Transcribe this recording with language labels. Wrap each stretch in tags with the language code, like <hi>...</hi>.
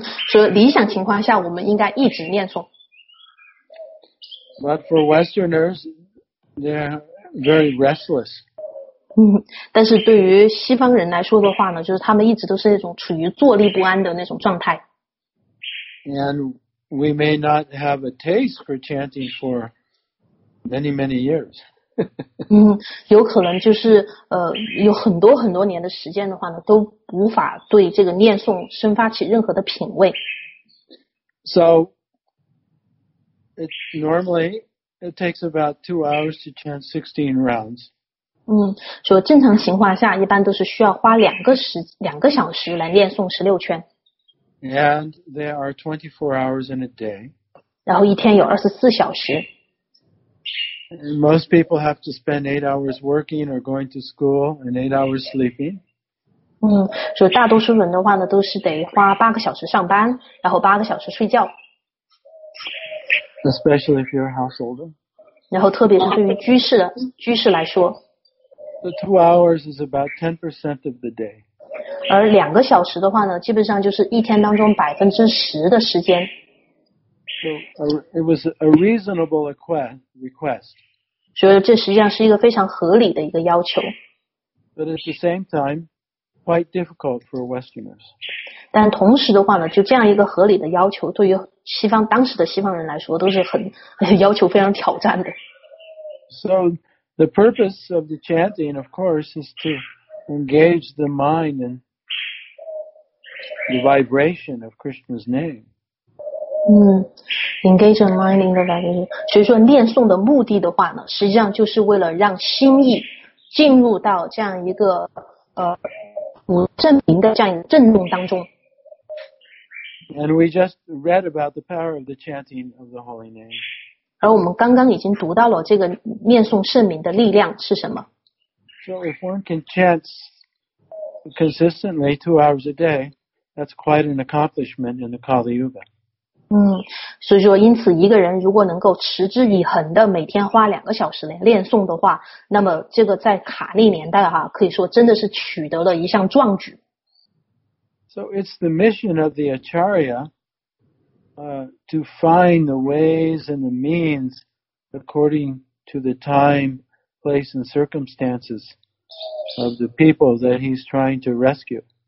<zh>所以理想情况下我们应该一直念诵。</zh> <en>But for Westerners, they're very restless.</en> <zh>但是对于西方人来说的话呢，就是他们一直都是那种处于坐立不安的那种状态。</zh> <en>And we may not have a taste for chanting for many, many years.</en> <zh>有可能就是有很多很多年的时间的话呢，都无法对这个念诵生发起任何的品味。</zh> <en>So, it takes about 2 hours to chant 16 rounds.</en> <zh>所以正常情况下一般都是需要花两个小时来念诵16圈。</zh> <en>And there are 24 hours in a day.</en> <zh>然后一天有24小时。</zh> <en>And most people have to spend 8 hours working or going to school and 8 hours sleeping.</en> <zh>所以大多数人的话呢都是得花8个小时上班，然后8个小时睡觉。</zh> <en>Especially if you're a householder.</en> <zh>然后特别是对于居士来说。</zh> <en>So 2 hours is about 10% of the day.</en> <zh>而两个小时的话呢，基本上就是一天当中10%的时间。</zh> <en>So it was a reasonable request.</en> <zh>所以这实际上是一个非常合理的一个要求。</zh> <en>But at the same time, quite difficult for Westerners.</en> <zh>但同时的话呢，就这样一个合理的要求，对于当时的西方人来说，都是很要求非常挑战的。</zh> <en>So. The purpose of the chanting, of course, is to engage the mind in the vibration of Krishna's name. Engage the mind in the vibration.</en> <zh>所以说念诵的目的的话呢，实际上就是为了让心意进入到这样一个五正明的这样一个震动当中。</zh> <en>And we just read about the power of the chanting of the holy name.</en> <zh>而我们刚刚已经读到了这个念诵圣名的力量是什么。</zh> <en>So if one can chant consistently 2 hours a day, that's quite an accomplishment in the Kali Yuga.</en> <zh>所以说因此一个人如果能够持之以恒的每天花两个小时来练诵的话，那么这个在卡利年代哈，可以说真的是取得了一项壮举。</zh> <en>So it's the mission of the Acharya, to find the ways and the means according to the time, place, and circumstances of the people that he's trying to rescue.</en>